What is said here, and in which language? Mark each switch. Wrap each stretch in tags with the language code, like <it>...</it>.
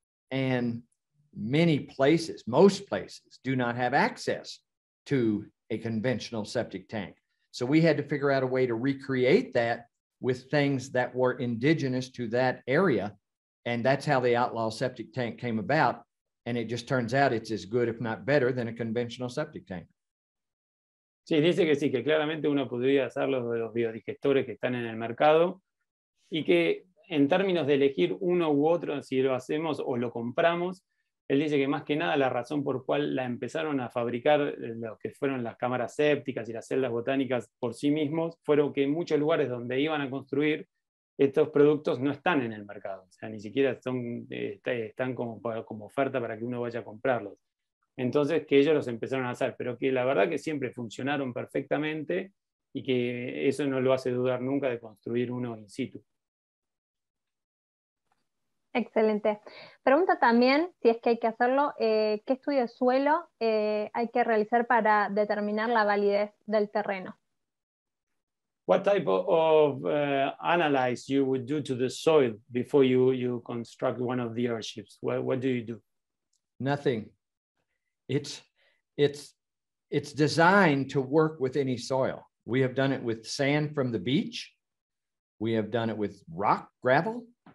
<en>And many places, most places, do not have access to a conventional septic tank. So we had to figure out a way to recreate that with things that were indigenous to that area. And that's how the outlaw septic tank came about. And it just turns out it's as good, if not better, than a conventional septic tank.</en> <es>Sí, dice que sí, que claramente uno podría hacer los biodigestores que están en el mercado y que en términos de elegir uno u otro, si lo hacemos o lo compramos, él dice que más que nada la razón por cual la empezaron a fabricar lo que fueron las cámaras sépticas y las celdas botánicas por sí mismos, fueron que en muchos lugares donde iban a construir estos productos no están en el mercado, o sea, ni siquiera son, están como oferta para que uno vaya a comprarlos. Entonces, que ellos los empezaron a hacer, pero que la verdad que siempre funcionaron perfectamente y que eso no lo hace dudar nunca de construir uno in situ. Excelente. Pregunta también, si es que hay que hacerlo, ¿qué estudio de suelo hay que realizar para determinar la validez del terreno?</es> <en>What type of analysis you would do to the soil before you construct one of the airships? What do you do? Nothing. It's designed to work with any soil. We have done it with sand from the beach. We have done it with rock, gravel.</en>